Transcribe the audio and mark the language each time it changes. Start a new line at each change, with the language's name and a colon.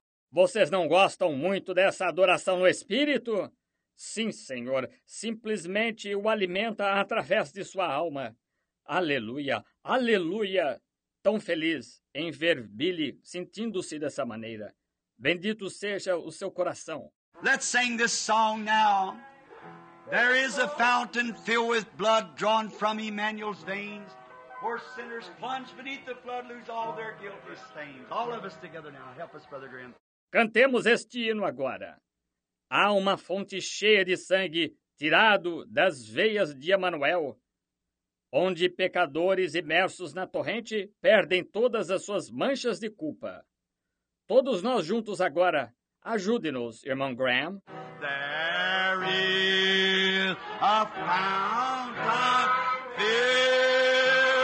Portuguese: Vocês não gostam muito dessa adoração no Espírito? Sim, Senhor. Simplesmente o alimenta através de sua alma. Aleluia, aleluia. Tão feliz em ver Billy sentindo-se dessa maneira. Bendito seja o seu coração.
English: Let's sing this song now. There is a fountain filled with blood drawn from Emmanuel's veins. Where sinners plunge beneath the flood, lose all their guilty stains. All of us together now. Help us, Brother Graham.
Portuguese: Cantemos este hino agora. Há uma fonte cheia de sangue tirado das veias de Emmanuel, onde pecadores imersos na torrente perdem todas as suas manchas de culpa. Todos nós juntos agora, ajude-nos, irmão Graham.
English: There is a fountain filled.